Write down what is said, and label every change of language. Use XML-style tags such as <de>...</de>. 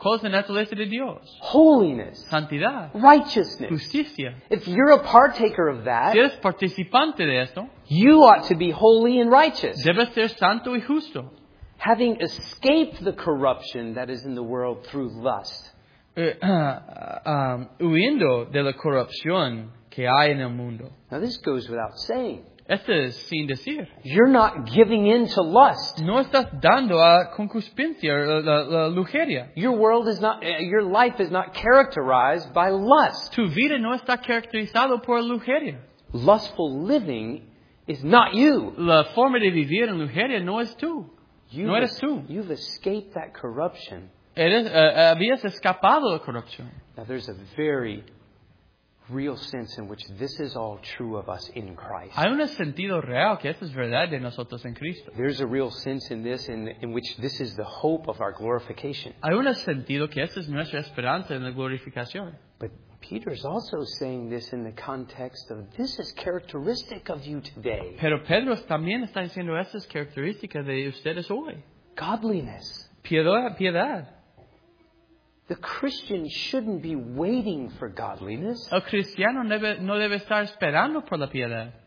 <es>¿Cuál es la naturaleza de Dios?</es> <en>Holiness.</en> <es>Santidad.</es> <en>Righteousness.</en> <es>Justicia.</es> <en>If you're a partaker of that,</en> <es>si eres participante de esto,</es> <en>you ought to be holy and righteous.</en> <es>Debes ser santo y justo.</es> <en>Having escaped the corruption that is in the world through lust.</en> <es>Huyendo de la corrupción que hay en el mundo.</es> <en>Now this goes without saying.</en> <es>Esto es sin decir.</es> <en>You're not giving in to lust.</en> <es>No estás dando a concupiscencia, la lujuria.</es> <en>Your world is not, your life is not characterized by lust.</en> <es>Tu vida no está caracterizado por lujuria.</es> <en>Lustful living is not you.</en> <es>La forma de vivir en lujuria no es tú.</es> <en>You've</en> <es>no eres tú.</es> <en>You've escaped that corruption.</en> <es>Habías escapado de la corrupción.</es> <en>Now there's a very real sense in which this is all true of us in Christ.</en> <es>Hay un sentido real que esto es verdad de nosotros en Cristo.</es> <en>There's a real sense in this in which this is the hope of our glorification.</en> <es>Hay un sentido que esto es nuestra esperanza en la glorificación.</es> <en>But Peter is also saying this in the context of this is characteristic of you today.</en> <es>Pero Pedro también está diciendo esto es característica de ustedes hoy.</es> <en>Godliness.</en> <es>Piedad.</es> <en>The Christian shouldn't be waiting for godliness.</en> <es>El cristiano no debe estar esperando por la piedad.</es>